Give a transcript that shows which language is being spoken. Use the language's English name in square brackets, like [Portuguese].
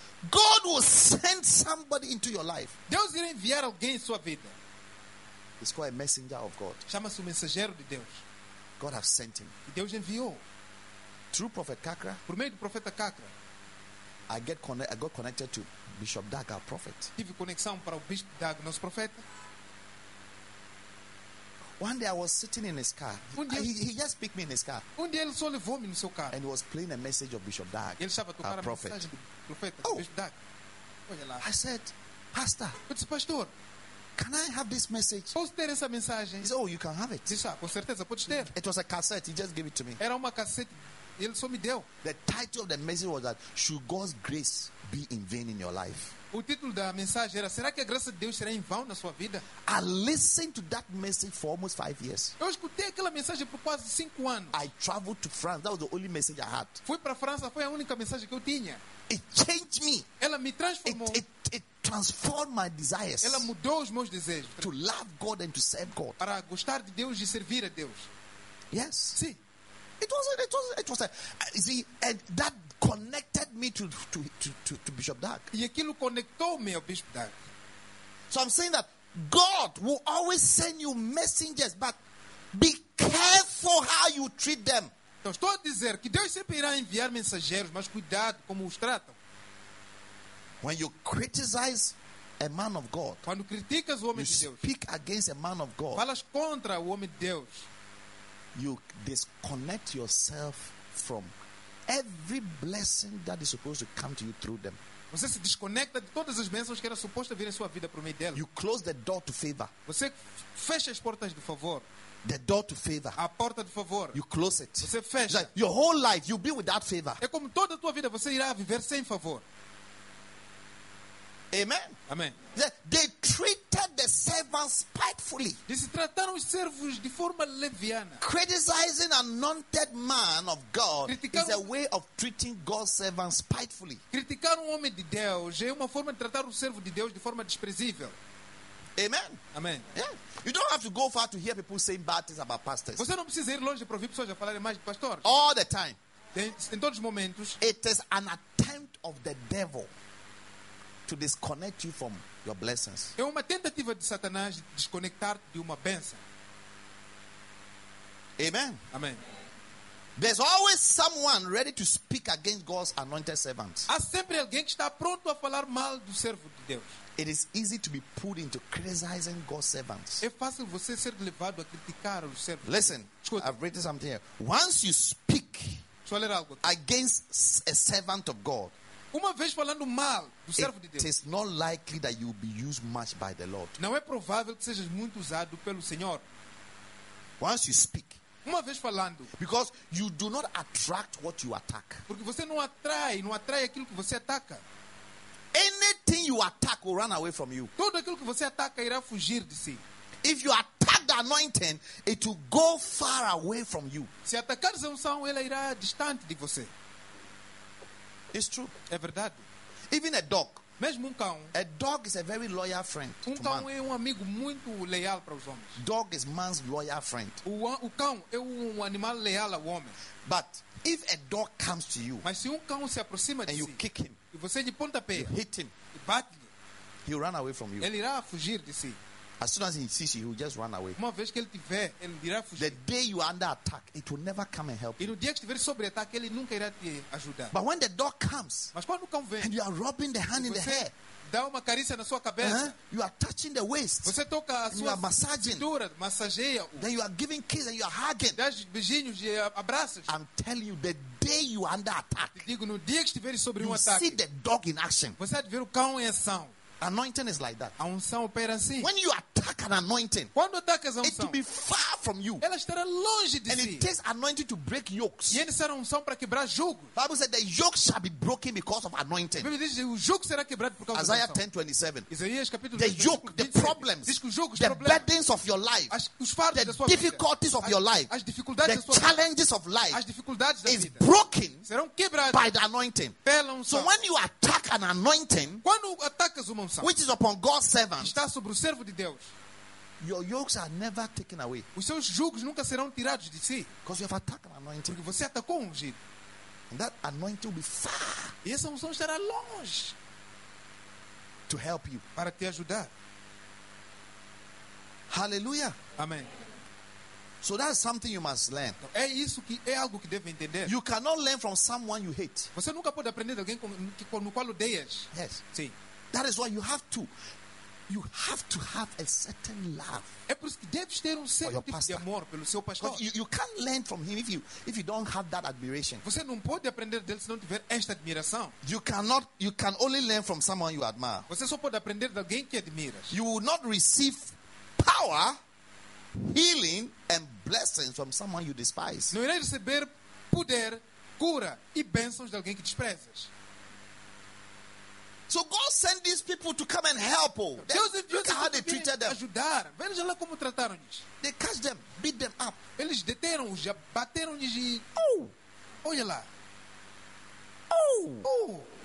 [English] God will send somebody into your life. [Portuguese] Deus irá enviar alguém em sua vida. [English] He's called a messenger of God. [Portuguese] Chama-se o mensageiro de Deus. [English] God has sent him. [Portuguese] E Deus enviou. [English] Through Prophet Kakra. [Portuguese] Por meio do profeta Kakra. [English] I got connected to Bishop Dag, our prophet. [Portuguese] Tive conexão para o Bishop Dag, nosso profeta. [English] One day I was sitting in his car. He just picked me in his car. [Portuguese] Um dia ele só levou-me no seu carro. [English] And he was playing a message of Bishop Dag. [Portuguese] Ele estava a tocar a mensagem do profeta Bishop Dag. [English] I said, Pastor. [Portuguese] Eu disse, Pastor. [English] Can I have this message? [Portuguese] Posso ter essa mensagem? [English] He said, oh, you can have it. [Portuguese] Disse, com certeza, pode ter. [English] It was a cassette. He just gave it to me. [Portuguese] Era uma cassete. Ele só me deu. [English] The title of the message was that, should God's grace be in vain in your life? [Portuguese] O título da mensagem era, será que a graça de Deus será em vão na sua vida? [English] I listened to that message for almost 5 years. [Portuguese] Eu escutei aquela mensagem por quase 5 anos. [English] I traveled to France. That was the only message I had. [Portuguese] Fui para a França, foi a única mensagem que eu tinha. [English] It changed me. [Portuguese] Ela me transformou. [English] It transformed my desires. [Portuguese] Ela mudou os meus desejos. [English] To love God and to serve God. [Portuguese] Para gostar de Deus e servir a Deus. [English] Yes. [Portuguese] Sim. [English] It was. You see, and that connected me to Bishop Dag. [Portuguese] E aquilo conectou-me ao Bishop Dag. [English] So I'm saying that God will always send you messengers, but be careful how you treat them. [Portuguese] Então estou a dizer que Deus sempre irá enviar mensageiros, mas cuidado como os tratam. [English] When you criticize a man of God, [Portuguese] quando criticas o homem de Deus, [English] you speak against a man of God. [Portuguese] Falas contra o homem de Deus. [English] You disconnect yourself from every blessing that is supposed to come to you through them. [Portuguese] Você se desconecta de todas as bênçãos que era suposto vir em sua vida por meio dela. [English] You close the door to favor. [Portuguese] Você fecha as portas do favor. [English] The door to favor. [Portuguese] A porta do favor. [English] You close it. [Portuguese] Você fecha. [English] Like your whole life you'll be without favor. [Portuguese] É como toda a tua vida você irá viver sem favor. [English] Amen. [Portuguese] Amen. [English] They treated the servants spitefully. [Portuguese] Eles trataram os servos de forma leviana. [English] Criticizing an anointed man of God is a way of treating God's servants spitefully. [Portuguese] Criticar um homem de Deus é uma forma de tratar o servo de Deus de forma desprezível. [English] Amen. [Portuguese] Amen. [English] Yeah. You don't have to go far to hear people saying bad things about pastors. [Portuguese] Você não precisa ir longe para ouvir pessoas a falarem mais de pastores. [English] All the time. [Portuguese] Em todos os momentos. [English] It is an attempt of the devil to disconnect you from your blessings. [Portuguese] É uma tentativa de Satanás de desconectar-te de uma bênção. [English] Amen. [Portuguese] Amen. [English] There's always someone ready to speak against God's anointed servant. [Portuguese] Há sempre alguém que está pronto a falar mal do servo de Deus. [English] It is easy to be pulled into criticizing God's servants. [Portuguese] É fácil você ser levado a criticar o servo. [English] Listen, [Portuguese] escuta. [English] I've written something here. Once you speak against a servant of God, [Portuguese] uma vez falando mal do servo de Deus, [English] it is not likely that you will be used much by the Lord. [Portuguese] Não é provável que sejas muito usado pelo Senhor. [English] Once you speak, [Portuguese] uma vez falando, [English] because you do not attract what you attack. [Portuguese] Porque você não atrai aquilo que você ataca. [English] Anything you attack will run away from you. [Portuguese] Tudo aquilo que você ataca irá fugir de si. [English] If you attack the anointing, it will go far away from you. [Portuguese] Se atacares a unção, ela irá distante de você. [English] It's true. [Portuguese] É verdade. [English] Even a dog. [Portuguese] Mesmo um cão. [English] A dog is a very loyal friend. [Portuguese] Um cão [English] to man. [Portuguese] É um amigo muito leal para os homens. [English] Dog is man's loyal friend. [Portuguese] O cão é um animal leal ao homem. [English] But if a dog comes to you, [Portuguese] mas se um cão se aproxima de [English] and [Portuguese] si, [English] you kick him, [Portuguese] e você lhe pontapé, [English] you hit him, [Portuguese] e bate-lhe, [English] he'll run away from you. [Portuguese] Ele irá fugir de si. [English] As soon as he sees you, he'll just run away. [Portuguese] Uma vez que ele te vê, ele irá fugir. [English] The day you are under attack, it will never come and help you. [Portuguese] E no dia que estiver sob ataque, ele nunca irá te ajudar. [English] But when the dog comes, [Portuguese] mas quando o cão vem, [English] and you are rubbing the hand in the hair, [Portuguese] dá uma carícia na sua cabeça, [English] you are touching the waist, [Portuguese] você toca a sua cintura, massageia-o, [English] then you are giving kisses and you are hugging, [Portuguese] dá beijinhos e abraços. [English] I'm telling you, the day you are under attack, [Portuguese] te digo, no dia que estiver sob um ataque, [English] you see the dog in action. [Portuguese] Você vai ver o cão em ação. [English] Anointing is like that. [Portuguese] A unção opera assim. [English] When you attack an anointing, [Portuguese] quando atacas a unção, [English] it will be far from you. [Portuguese] Ela estará longe de [English] and [Portuguese] si. [English] And it takes anointing to break yokes. [Portuguese] E é necessária a unção para quebrar jugos. [English] Bible said the yoke shall be broken because of anointing. [Portuguese] Bíblia diz que o jugo será quebrado por causa [English] Isaiah [Portuguese] da unção. Isaías 10:27. Isaías capítulo [English] 27. The yoke, the problems, [Portuguese] diz que o jugo, os [English] the [Portuguese] problemas, [English] burdens of your life, [Portuguese] os fardos da sua vida, [English] the difficulties of your life, [Portuguese] as dificuldades da sua vida, [English] the challenges of life, [Portuguese] as dificuldades da [English] is [Portuguese] vida, [English] broken [Portuguese] serão quebradas [English] by the anointing. [Portuguese] Pela unção. [English] So when you attack an anointing, [Portuguese] quando atacas uma unção, [English] which is upon God's servant, [Portuguese] está sobre o servo de Deus, [English] your yokes are never taken away. [Portuguese] Os seus jugos nunca serão tirados de si. [English] Because you have attacked an anointing. [Portuguese] Porque você atacou um ungido. [English] And that anointing will be far. [Portuguese] E essa unção estará longe. [English] To help you. [Portuguese] Para te ajudar. [English] Hallelujah. [Portuguese] Amen. [English] So that's something you must learn. [Portuguese] É isso que é algo que deve entender. [English] You cannot learn from someone you hate. [Portuguese] Você nunca pode aprender de alguém com o qual odeias. [English] Yes. [Portuguese] Sim. [English] That is why you have to have a certain love. [Portuguese] É por isso que deves ter certo tipo de amor pelo seu pastor. [English] You can't learn from him if you don't have that admiration. [Portuguese] Você não pode aprender dele se não tiver esta admiração. [English] You can only learn from someone you admire. [Portuguese] Você só pode aprender de alguém que admiras. [English] You will not receive power, healing and blessings from someone you despise. [Portuguese] Não irás receber poder, cura e bênçãos de alguém que desprezas. [English] So God sent these people to come and help. Look how they treated them. [Portuguese] Ajudar. Veja lá como trataram-nos. [English] They catch them, beat them up. [Portuguese] Eles deteram-nos, bateram-nos. Oh, olha lá. Oh, oh.